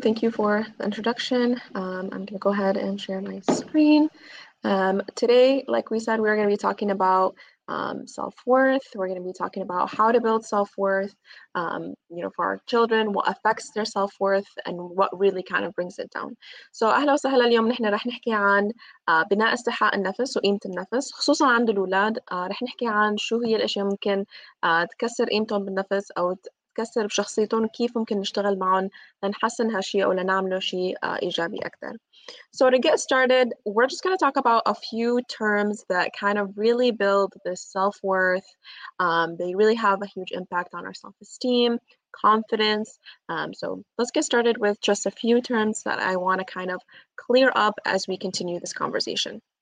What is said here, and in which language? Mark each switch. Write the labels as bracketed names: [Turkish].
[English] Thank you for the introduction. I'm going to go ahead and share my screen. Today, like we said, we're going to be talking about self-worth. We're going to be talking about how to build self-worth, for our children, what affects their self-worth, and what really kind of brings it down. [Arabic] So أهلا وسهلا اليوم نحن رح نحكي عن بناء استحاء النفس وقيمة النفس خصوصا عند الأولاد. رح نحكي عن شو هي الأشياء ممكن تكسر قيمتهم بالنفس أو تكسر بشخصيتهم وكيف ممكن نشتغل معهم لنحسن هالشيء أو لنعمله شيء إيجابي أكثر. [English] So to get started, we're just going to talk about a few terms that kind of really build this self-worth. They really have a huge impact on our self-esteem, confidence. So let's get started with just a few terms that I want to kind of clear up as we continue this conversation.